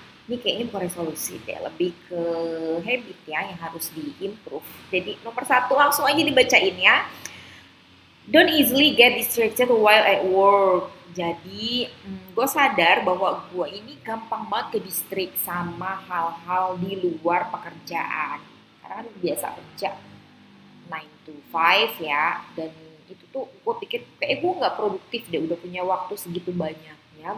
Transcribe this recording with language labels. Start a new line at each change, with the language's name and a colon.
Indonesian: Ini kayaknya bukan resolusi deh, lebih ke habit ya yang harus diimprove. Jadi nomor satu langsung aja dibacain ya.
English: Don't easily get distracted while at work.
Indonesian: Jadi, gue sadar bahwa gue ini gampang banget ke distrik sama hal-hal di luar pekerjaan. Karena kan biasa kerja 9 to 5 ya. Dan itu tuh gue pikir, kayak gue gak produktif deh. Udah punya waktu segitu banyaknya.